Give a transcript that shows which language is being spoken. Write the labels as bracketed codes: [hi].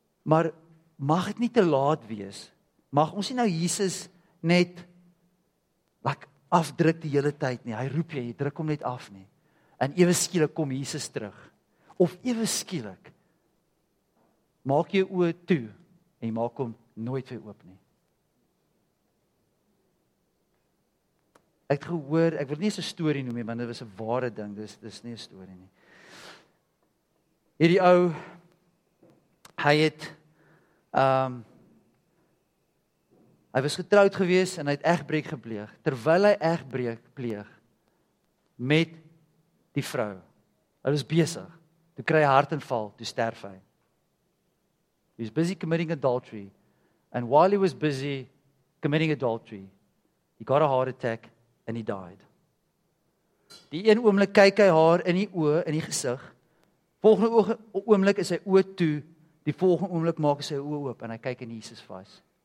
[af] Maar, mag het nie te laat wees, mag ons nie nou Jesus net like, afdruk die hele tyd nie, hy roep jy, druk hom net af nie, en ewe skielik kom Jesus terug, of ewe skielik, maak jy oor toe, en maak hom nooit weer oop nie. Ek het gehoor, ek wil nie eens een story noem, want dit was een ware ding, dit is nie een story nie. Hierdie ou, hy het hy was getrouwd gewees en hy het egbreek gepleeg, terwyl hy egbreek pleeg met die vrou. Hy was besig, toe kry hy hartinval, toe sterf hy. [en] He was busy committing adultery, and while he was busy committing adultery, he got a heart attack and he died. [af] Die een oomblik kyk hy haar in die oor, in die gesig, volgende oomblik is hy oor toe, die volgende oomblik maak sy oë oop, en hy kyk in Jesus vas.